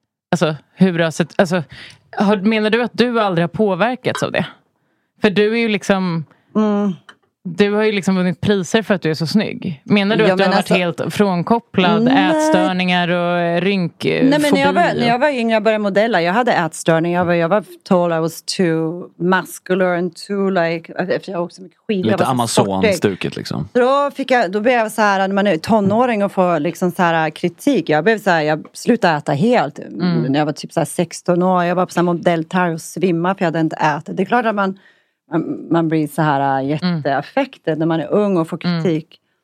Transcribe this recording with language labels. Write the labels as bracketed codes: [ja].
[sv] alltså, hur har sett... Alltså, menar du att du aldrig har påverkats av det? För du är ju liksom... Du har ju liksom vunnit priser för att du är så snygg. Menar du att du har varit helt frånkopplad? Nej. Ätstörningar och rynkfobi? Nej, men när jag var yngre, jag började modella. Jag hade ätstörningar. Jag var tall, [en] I was too muscular and too like... [sv] Jag åkte så mycket skit. Lite Amazon-stuket liksom. Då blev jag så här, när man är tonåring och får liksom så här kritik. Jag blev så här, jag slutade äta helt. Mm. När jag var typ så här 16 år. Jag var på samma modelltär och svimma för jag hade inte ätit. Det är klart att man blir så här jätteaffektad när man är ung och får kritik.